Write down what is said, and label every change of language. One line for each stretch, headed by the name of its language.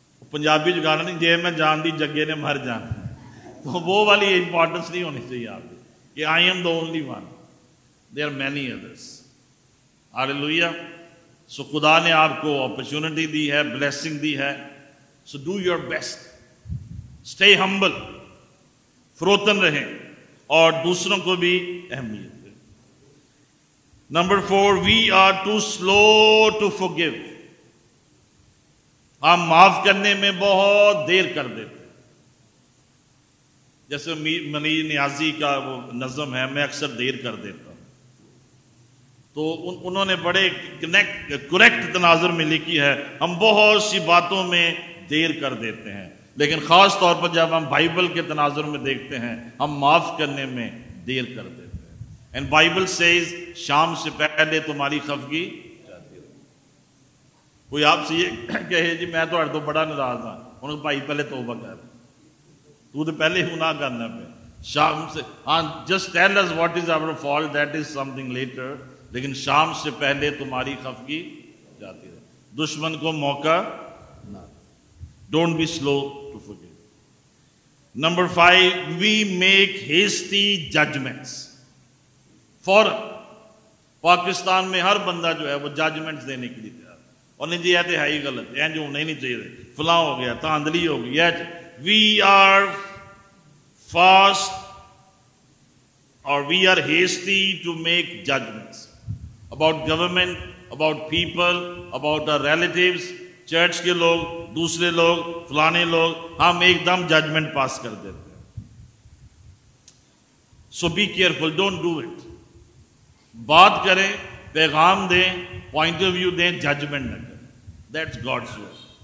Urdu: پنجابی جو گانا نہیں,
Punjabi: جے میں جان دی جگے نے مر جانا,
Urdu: تو وہ والی امپورٹنس نہیں ہونی چاہیے آپ کی کہ
English: I am the only one, they are many others.
Urdu: ہللویہ. سو خدا نے آپ کو اپرچونٹی دی ہے, بلیسنگ دی ہے.
English: So do your best, stay humble,
Urdu: فروتن رہیں اور دوسروں کو بھی اہمیت دیں.
English: Number four, we are too slow to forgive.
Urdu: ہم معاف کرنے میں بہت دیر کر دیتے. جیسے منیر نیازی کا وہ نظم ہے, میں اکثر دیر کر دیتا ہوں, تو انہوں نے بڑے کریکٹ تناظر میں لکھی ہے, ہم بہت سی باتوں میں دیر کر دیتے ہیں, لیکن خاص طور پر جب ہم بائبل کے تناظر میں دیکھتے ہیں ہم معاف کرنے میں دیر کر دیتے ہیں.
English: and Bible says
Urdu: شام سے پہلے تمہاری خفگی. کوئی آپ سے یہ کہے جی میں تو ہر دو بڑا ناراض ہوں, انہوں نے بھائی پہلے توبہ کر, تو پہلے ہی گناہ کرنا پہ شام سے.
English: ہاں just tell us what is our fault, that is something later,
Urdu: لیکن شام سے پہلے تمہاری خفگی جاتی ہے. دشمن کو موقع.
English: Don't be slow to forgive. Number five, we make hasty judgments.
Urdu: For Pakistan میں ہر بندہ جو ہے وہ ججمنٹس دینے کے لیے تیار. اور نہیں جی یہ تو ہے ہی غلط, یہ جو ہونا ہی نہیں چاہیے, فلاں ہو گیا, تاندلی ہو گئی.
English: We are fast or we are hasty to make judgments about government, about people, about our relatives.
Urdu: Church کے لوگ, دوسرے لوگ, فلانے لوگ, ہم ایک دم ججمنٹ پاس کر دیتے ہیں.
English: So be careful, don't do it.
Urdu: بات کریں, پیغام دیں, پوائنٹ آف ویو دیں, ججمنٹ نہ کریں.
English: That's God's word.